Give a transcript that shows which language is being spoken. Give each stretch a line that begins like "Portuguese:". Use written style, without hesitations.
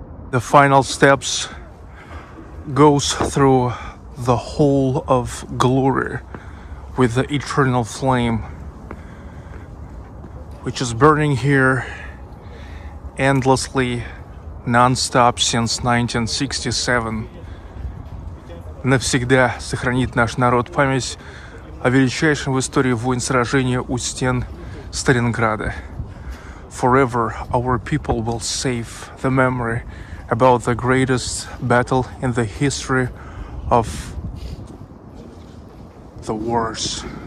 English: the final steps goes through the hole of glory with the eternal flame, which is burning here endlessly, non-stop since 1967.
Russian: Навсегда сохранит наш народ память о величайшем в истории войн сражения у стен Сталинграда.
English: Forever our people will save the memory about the greatest battle in the history of the wars.